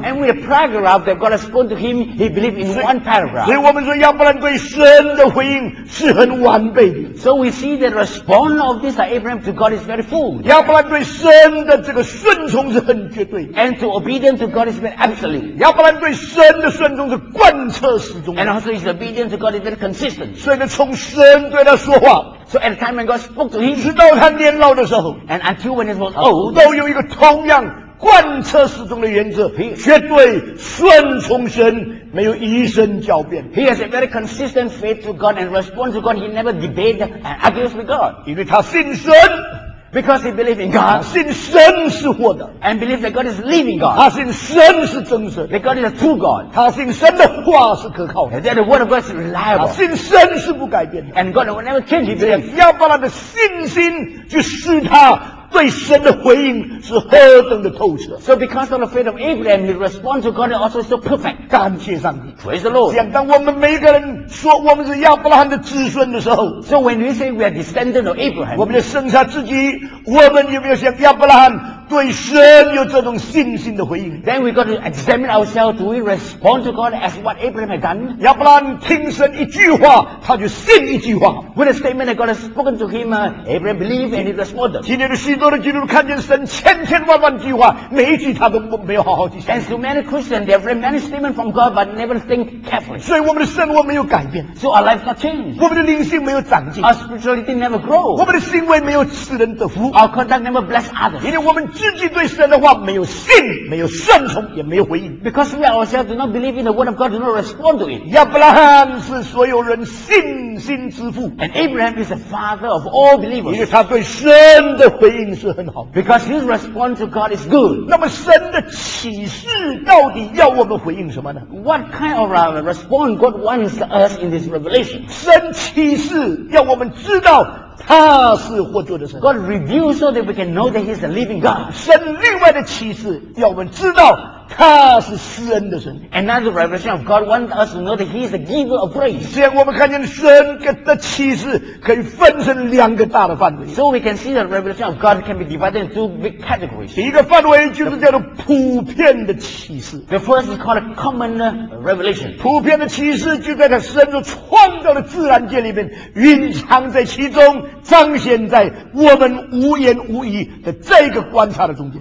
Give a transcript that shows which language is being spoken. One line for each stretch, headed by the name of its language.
English: and with a paragraph that God spoke to him he believed in one paragraph
Chinese: 所以我们说亚伯兰对神的回应是很完备的
English: so we see the response of this Abraham to God is very full
Chinese: 亚伯兰对神的这个顺从是很绝对
English: and to obedient to God is very absolute
Chinese: 亚伯兰对神的顺从是贯彻始终
English: and also his obedience to God is very consistent
Chinese: 所以呢从神对他说话
English: So at the time when God spoke to him
Chinese: 直到他年老的时候
English: and until when he was old
Chinese: 都有一个同样贯彻始终的原则，绝对顺从神，没有一声狡辩。
English: He has a very consistent faith to God and response to God. He never debates and argues with God.
Chinese: 因为他信神。
English: Because he believes in God.
Chinese: 他信神是活的。
English: And believes that God is living God.
Chinese: 他信神是真神。
English: That God is a true God.
Chinese: 他信神的话是可靠的。
English: And that the word of God is reliable.
Chinese: 他信神是不改变的。
English: And God will never change his belief.
Chinese: 要把他的信心去试他。对神的回应是何等的透彻。
English: So because of the faith of Abraham, his response to God is also so perfect.
Chinese: 感谢上帝。
English: Praise the Lord.
Chinese: 这样当我们每个人说我们是亚伯拉罕的子孙的时候，
English: So when we say we are descendants of Abraham,
Chinese: 我们就剩下自己，我们有没有像亚伯拉罕对神有这种信心的回应？
English: Then we got to examine ourselves. Do we respond to God as what Abraham had done?
Chinese: 亚伯拉罕听神一句话，他就信一句话。
English: With a statement that God has spoken to him, Abraham believed and he responded.
Chinese: 今天的许多的基督徒看见神千千万万句话，每一句他都没有好好去想。
English: And so many Christians, they have read many statements from God, but never think carefully.
Chinese: 所以我们的生活没有改变。
English: So our life not changed.
Chinese: 我们的灵性没有长进。
English: Our spirituality never grow.
Chinese: 我们的行为没有使人得福。
English: Our conduct never bless others.
Chinese: 因为我们自己对神的话没有信，没有顺从，也没有回应。
English: Because we ourselves do not believe in the word of God, do not respond to it.
Chinese: 亚伯拉罕是所有人信心之父。
English: And Abraham is the father of all believers.
Chinese: 因为他对神的回应是很好。
English: Because his response to God is good.
Chinese: 那么神的启示到底要我们回应什么呢？
English: What kind of response God wants us in this revelation?
Chinese: 神启示要我们知道他是活着的神。
English: God reveals so that we can know that He is a living God.
Chinese: 神另外的启示要我们知道他是施恩的神。
English: Another revelation of God wants us to know that He is a giver of grace.
Chinese: 这样我们看见神的启示可以分成两个大的范围。
English: So we can see that revelation of God can be divided into two big categories.
Chinese: 第一个范围就是叫做普遍的启示。
English: The first is called a common revelation.
Chinese: 普遍的启示就在他神所创造的自然界里面蕴藏在其中，彰显在我们无言无语的这个观察的中间。